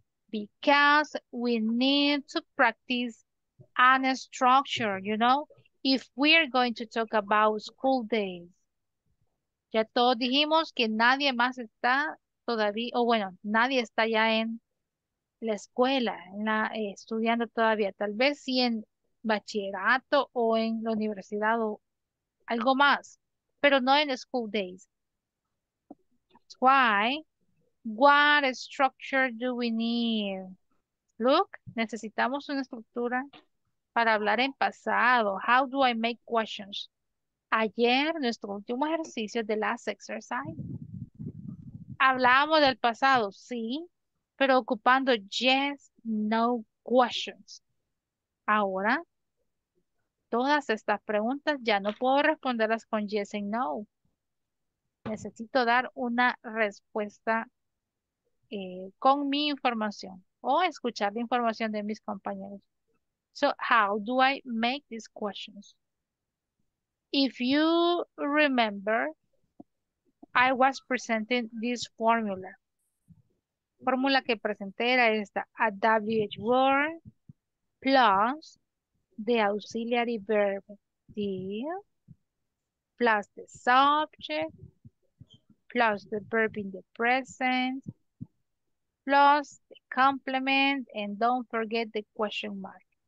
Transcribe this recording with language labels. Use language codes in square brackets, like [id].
[en] Because we need to practice and a structure, you know, if we are going to talk about school days. [es] Ya todos dijimos que nadie más está todavía, o bueno, nadie está ya en la escuela, estudiando todavía, tal vez sí en bachillerato o en la universidad o algo más, pero no en school days. [en] Why? What structure do we need? Look, [es] necesitamos una estructura para hablar en pasado. [en] How do I make questions? [es] Ayer, nuestro último ejercicio de [en] last exercise, [es] hablábamos del pasado, sí, pero ocupando [en] yes, no questions. [es] Ahora, todas estas preguntas ya no puedo responderlas con [en] yes and no. [es] Necesito dar una respuesta con mi información o escuchar la información de mis compañeros. [en] So, how do I make these questions? If you remember, I was presenting this formula. [es] Formula que presenté era esta. [en] A WH word plus the auxiliary verb did plus the subject plus the verb in the present plus the complement and don't forget the question mark.